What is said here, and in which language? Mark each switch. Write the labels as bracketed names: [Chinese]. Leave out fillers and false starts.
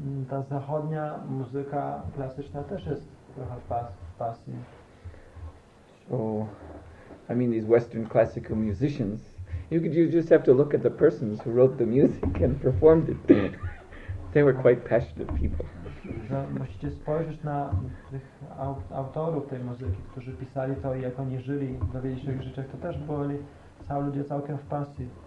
[Polish] Ta zachodnia muzyka klasyczna też jest trochę pasji. [English] So, I mean, these Western classical musicians, you just have to look at the persons who wrote the music and performed it. They were quite passionate people. [Polish] Musicie spojrzeć na tych autorów tej muzyki, którzy pisali to i jak oni żyli, dowiedzieć się o ich rzeczach, to też byli cały ludzie całkiem w pasji.